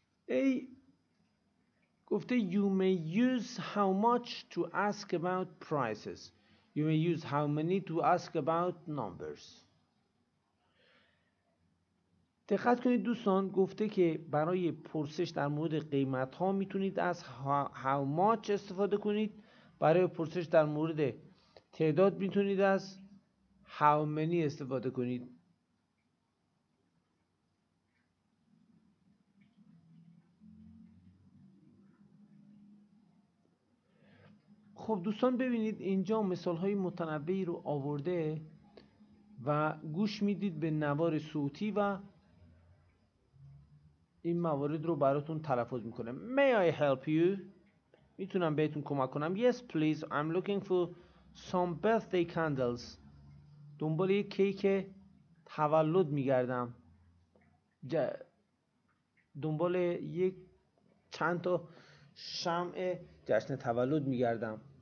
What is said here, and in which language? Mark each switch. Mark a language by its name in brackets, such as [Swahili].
[English] A گفته you may use how much to ask about prices. You may use how many to ask about numbers. [Persian] دقت کنید دوستان، گفته که برای پرسش در مورد قیمت ها میتونید از how much استفاده کنید، برای پرسش در مورد تعداد میتونید از how many استفاده کنید. خب دوستان ببینید، اینجا مثال های متنوعی رو آورده و گوش میدید به نوار صوتی و این موارد رو براتون تلفظ میکنه. [English] May I help you؟ [Persian] میتونم بهتون کمک کنم. [English] Yes please, I'm looking for some birthday candles. [Persian] دنبال یک کیک تولد میگردم. دنبال یک چند تا شمع جشن تولد میگردم.